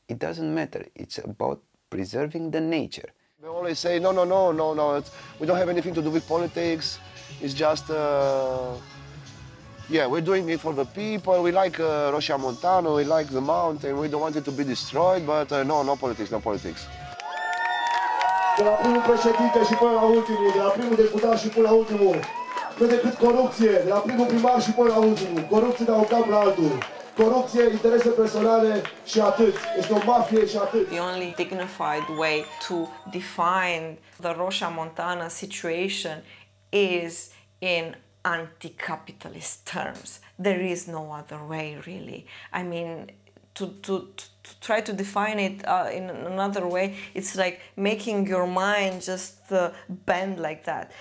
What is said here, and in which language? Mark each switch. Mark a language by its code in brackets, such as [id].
[en] It doesn't matter, it's about preserving the nature. They always say, no, we don't have anything to do with politics. It's just, we're doing it for the people. We like Rocha Montano, we like the mountain, we don't want it to be destroyed, but no politics. [ro] De la primul președinte și până la ultimul, de la primul deputat și până la ultimul, cât de cât corupție, de la primul primar și până la ultimul, corupție de la un cap la altul. [en] The only dignified way to define the Rocha Montana situation is in anti-capitalist terms. There is no other way, really. I mean, to try to define it in another way, it's like making your mind just bend like that.